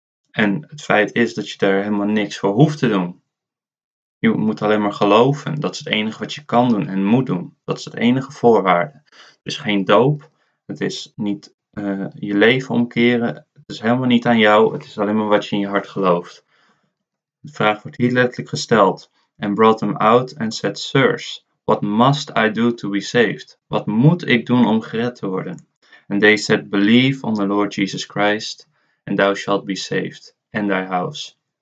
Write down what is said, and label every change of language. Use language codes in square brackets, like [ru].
[nl] En het feit is dat je daar helemaal niks voor hoeft te doen. Je moet alleen maar geloven. Dat is het enige wat je kan doen en moet doen. Dat is het enige voorwaarde. Het is geen doop. Het is niet je leven omkeren. Het is helemaal niet aan jou, het is alleen maar wat je in je hart gelooft. De vraag wordt hier letterlijk gesteld. [en] And brought them out and said, Sirs, what must I do to be saved? [nl] Wat moet ik doen om gered te worden? [en] And they said, Believe on the Lord Jesus Christ, and thou shalt be saved, and thy house.